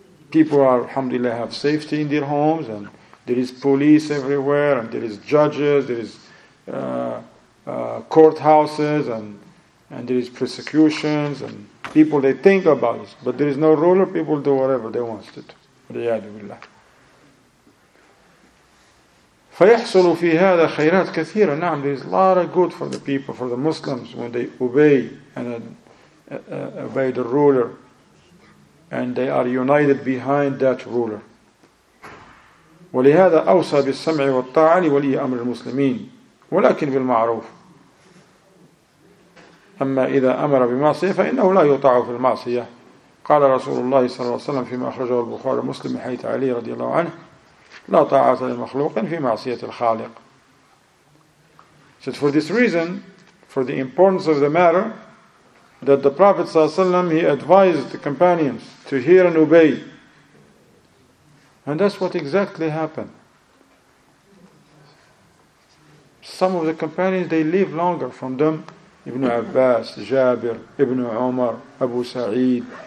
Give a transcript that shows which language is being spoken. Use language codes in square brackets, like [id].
[en] People are, alhamdulillah, have safety in their homes, and there is police everywhere, and there is judges, there is courthouses, and there is persecutions, and people, they think about this. But there is no ruler, people do whatever they want to do. Riyadu billah. [ar] فيحصل في هذا خيرات كثيرة. [en] نعم, there is a lot of good for the people, for the Muslims, when they obey and obey the ruler, and they are united behind that ruler. [ar] ولهذا أوصى بالسمع والطاعة ولي أمر المسلمين ولكن بالمعروف أما إذا أمر بمعصية فإنه لا يطاع في المعصية. قال رسول الله صلى الله عليه وسلم فيما أخرجه البخاري ومسلم من حديث علي رضي الله عنه لا طاعة لمخلوق في معصية الخالق. [en] So for this reason, for the importance of the matter, that the Prophet [ar] صلى الله عليه وسلم, [en] he advised the companions to hear and obey. And that's what exactly happened. Some of the companions, they live longer from them. Ibn Abbas, Jabir, Ibn Umar, Abu Sa'id,